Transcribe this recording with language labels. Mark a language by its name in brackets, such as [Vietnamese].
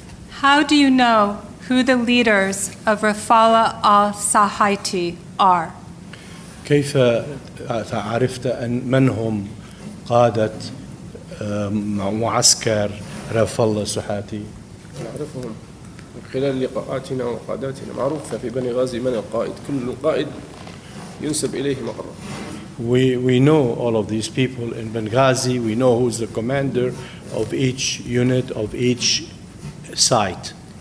[English] How do you know who the leaders of Rafala al-Sahaiti are? [Arabic] كيف تعرفت أن من هم قادة معسكر رفالة سحاتي؟ نعرفهم من خلال لقاءاتنا وقاداتنا معروفة في بني غازي من القائد كل قائد ينسب إليه مقر. [English] We know all of these people in Benghazi. We know who's the commander of each unit of each site.